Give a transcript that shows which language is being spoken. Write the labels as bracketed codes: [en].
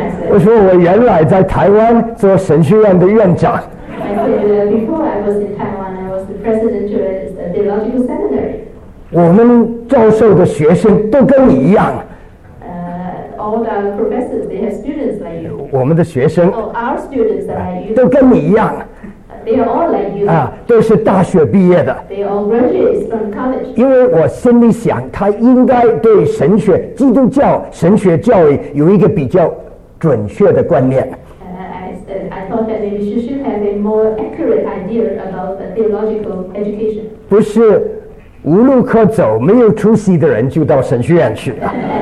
[zh] 我说我原来在台湾做神学院的院长。 [en] I said, before I was in Taiwan, I was the president of a theological seminary. [zh] 我们教授的学生都跟你一样。 [en] All the professors, they have students like you. [zh] 我们的学生。 [en] Oh, our students are like you. [zh] 都跟你一样。 [en] They are all like you. [zh] 都是大学毕业的。 [en] They all graduates from college. [zh] 因为我心里想，他应该对神学、基督教神学教育有一个比较准确的观念。 [en] I thought that maybe she should have a more accurate idea about the theological education. [zh] 不是。无路可走没有出息的人就到神学院去了。